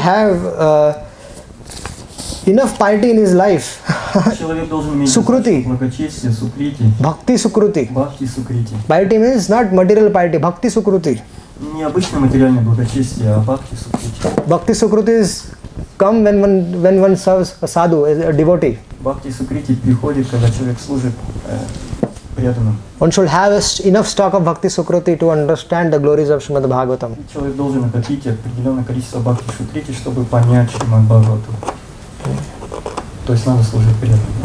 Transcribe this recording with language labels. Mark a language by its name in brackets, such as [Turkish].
[English] One should have enough piety in his life. [Russian] Человек должен иметь сукрути. Благочестие, сукрити. Бхакти сукрути. Бхакти сукрити. [English] Piety means not material piety, бхакти сукрути. [Russian] Не обычное материальное благочестие, а бхакти сукрути. [English] Бхакти сукрути is come when one serves a sadhu, a devotee. [Russian] Бхакти сукрити приходит, когда человек служит преданным. [English] One should have enough stock of бхакти сукрути to understand the glories of Srimad Bhagavatam. [Russian] Человек должен накопить определенное количество бхакти сукрити, чтобы понять Шримад Бхагавату. То есть надо служить преданным.